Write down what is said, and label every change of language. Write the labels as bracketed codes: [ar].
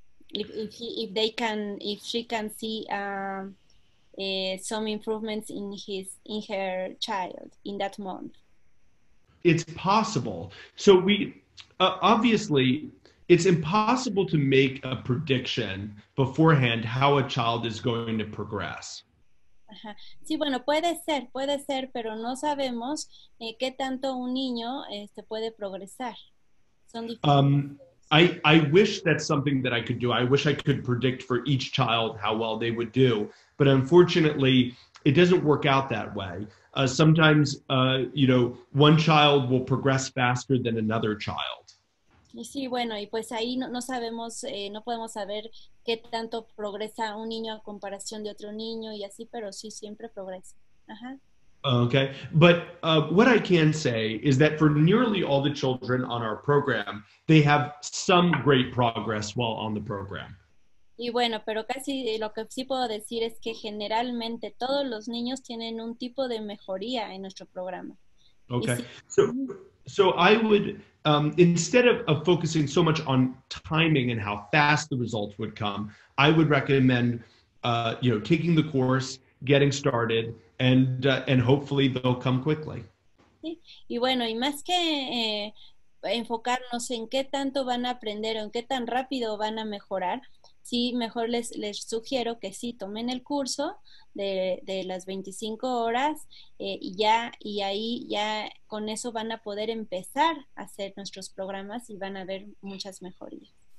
[en] If she can see some improvements in her child in that month. It's possible. So we obviously It's impossible to make a prediction beforehand how a child is going to progress. [es] Sí, bueno, puede ser, pero no sabemos qué tanto un niño puede progresar. Son diferentes. [en] I wish that's something that I could do. I wish I could predict for each child how well they would do. But unfortunately, it doesn't work out that way. Sometimes, you know, one child will progress faster than another child. [es] Y sí, bueno, y pues ahí no sabemos, no podemos saber qué tanto progresa un niño a comparación de otro niño y así, pero sí, siempre progresa. [en] Okay, but what I can say is that for nearly all the children on our program, they have some great progress while on the program. [es] Y bueno, pero casi lo que sí puedo decir es que generalmente todos los niños tienen un tipo de mejoría en nuestro programa. [en] Okay, so I would, instead of focusing so much on timing and how fast the results would come, I would recommend, you know, taking the course, getting started, and hopefully they'll come quickly. [es] Sí. Y bueno, y más que enfocarnos en qué tanto van a aprender o en qué tan rápido van a mejorar, sí, mejor les sugiero que sí tomen el curso de las 25 horas y ya y ahí ya con eso van a poder empezar a hacer nuestros programas y van a ver muchas mejorías.